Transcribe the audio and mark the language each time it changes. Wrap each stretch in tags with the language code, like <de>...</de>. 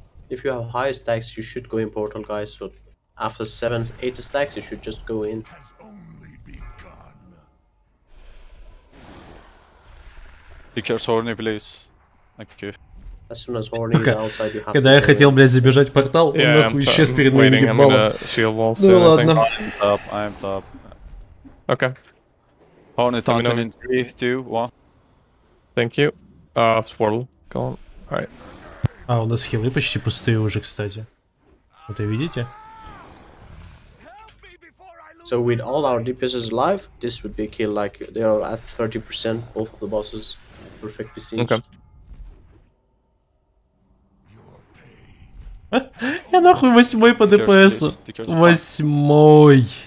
<en>If you have high stacks, you should go in portal, guys. But after 7-8 stacks, you should just go in. Decurs horny, please. Thank you. As soon as horny is outside, you have</en> <ru>Когда</ru> <en>to...</en> <ru>я хотел, блядь, забежать портал, он yeah, нахуй исчез перед моим ебалом.</ru> <en>I'm gonna shield wall soon,</en> <ru>ну, ладно.</ru> <en>I'm top. Okay. Horny taunting in 3, 2, 1. Thank you. Swirl. Go on. Alright.</en> <ru>А, у нас хилы почти пустые уже, кстати. Это видите?</ru> <en>So with all our DPSs alive, this would be a kill, like they are at 30% both of the bosses, perfectly seen. Okay.</en> <ru>Я нахуй восьмой по ДПСу. Восьмой.</ru>